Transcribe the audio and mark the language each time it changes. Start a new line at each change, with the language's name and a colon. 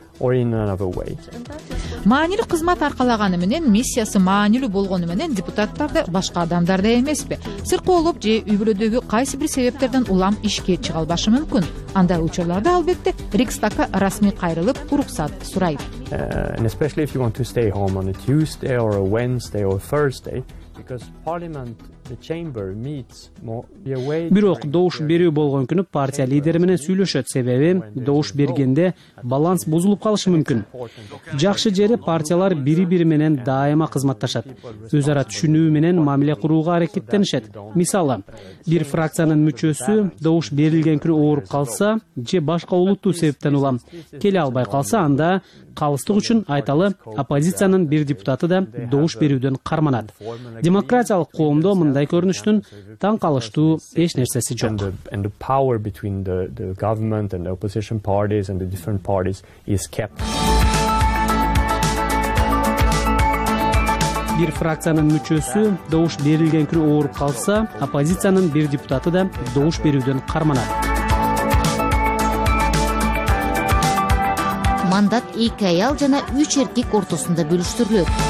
Kyrgyz: Маанилүү кызмат аркалаганы менен миссиясы маанилүү болгону менен депутаттар да башка адамдар да эмеспи? Сыркоолоп же үй-бүлөдөгү кайсы бир себептерден улам ишке чыга албашы мүмкүн. Андай учурларда албетте Рикстагга расмий кайрылып уруксат сурайт.
English: And especially if you want to stay home on a Tuesday or a Wednesday or a Thursday.
Kyrgyz: Бирок добуш берүү болгон күнү партия лидери менен сүйлөшөт, себеби добуш бергенде баланс бузулуп калышы мүмкүн. Жакшы жери партиялар бири бири менен дайыма кызматташат. Өз ара түшүнүү менен мамиле курууга аракеттенишет. Мисалы, бир фракциянын мүчөсү добуш берилген күнү ооруп калса же башка олуттуу себептен улам келе албай калса, анда калыстык үчүн айталы оппозициянын бир депутаты да добуш берүүдөн карманат. Демократиялык коомдо мындай көрүнүштүн таң калыштуу эч нерсеси жок.
English: And the power between the government and the opposition parties and the different parties is kept.
Kyrgyz: Бир фракциянын мүчөсү добуш берилген күнү ооруп калса, оппозициянын бир депутаты да добуш берүүдөн карманат. Мандат 2 аял жана 3 эркек ортосунда бөлүштүрүлөт.